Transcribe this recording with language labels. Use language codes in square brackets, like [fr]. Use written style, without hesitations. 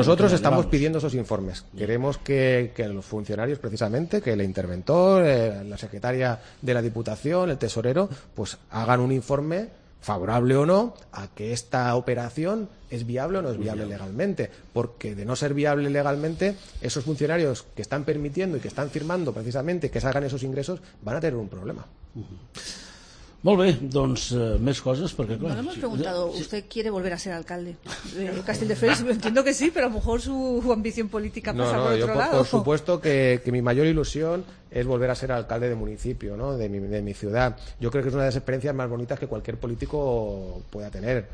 [es] Nosotros estamos pidiendo esos informes. Queremos que los funcionarios, precisamente, que el interventor, la secretaria de la Diputación, el tesorero, pues hagan un informe favorable o no a que esta operación es viable o no es viable legalmente, porque de no ser viable legalmente, esos funcionarios que están permitiendo y que están firmando precisamente que salgan esos ingresos van a tener un problema. [ca] Molt bé, doncs més coses, perquè clar. [es] No hemos preguntado, ¿usted quiere volver a ser alcalde de Castelldefels? Entiendo que sí, pero a lo mejor su ambición política pasa por otro lado. No, por supuesto que mi mayor ilusión es volver a ser alcalde de municipio, ¿no? De mi ciudad. Yo creo que es una de las experiencias más bonitas que cualquier político pueda tener.